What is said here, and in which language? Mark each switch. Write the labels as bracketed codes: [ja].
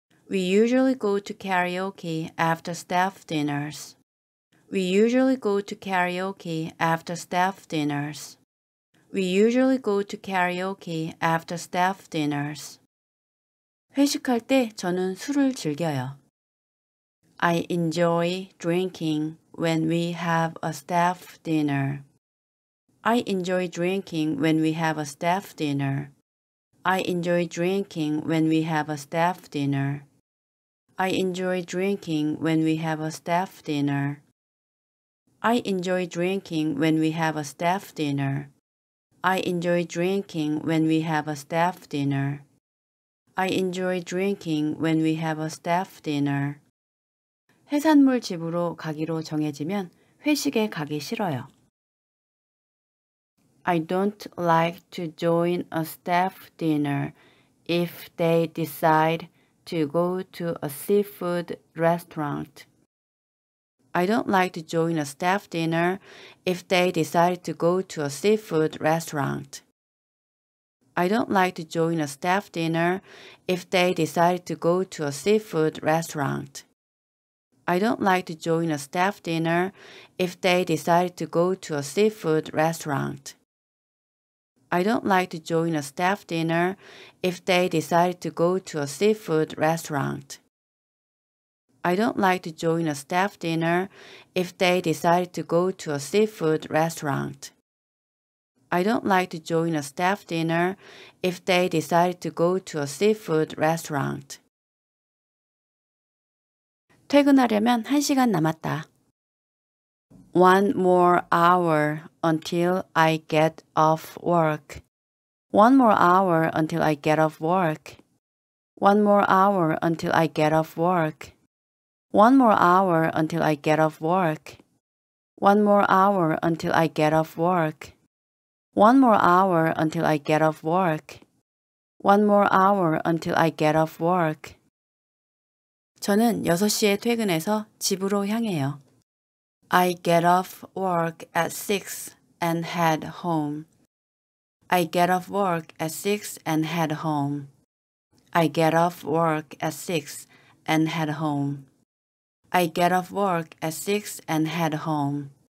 [en] We usually go to karaoke after staff dinners. We usually go to karaoke after staff dinners. We usually go to karaoke after staff dinners. [ko] 회식할 때 저는 술을 즐겨요. [en] I enjoy drinking when we have a staff dinner. I enjoy drinking when we have a staff dinner. I enjoy drinking when we have a staff dinner. I enjoy drinking when we have a staff dinner. I enjoy drinking when we have a staff dinner. I enjoy drinking when we have a staff dinner. I enjoy drinking when we have a staff dinner. [ko] 해산물 집으로 가기로 정해지면 회식에 가기 싫어요. [en] I don't like to join a staff dinner if they decide to go to a seafood restaurant. I don't like to join a staff dinner if they decide to go to a seafood restaurant. I don't like to join a staff dinner if they decide to go to a seafood restaurant. I don't like to join a staff dinner if they decide to go to a seafood restaurant. I don't like to join a staff dinner if they decide to go to a seafood restaurant. I don't like to join a staff dinner if they decide to go to a seafood restaurant. I don't like to join a staff dinner if they decide to go to a seafood restaurant. [ko] 퇴근하려면 1시간 남았다. [en] One more hour until I get off work. One more hour until I get off work. One more hour until I get off work. One more hour until I get off work. One more hour until I get off work. One more hour until I get off work. One more hour until I get off work. [ko] 저는 6시에 퇴근해서 집으로 향해요. [en] I get off work at 6 and head home. I get off work at 6 and head home. I get off work at 6 and head home. I get off work at 6 and head home.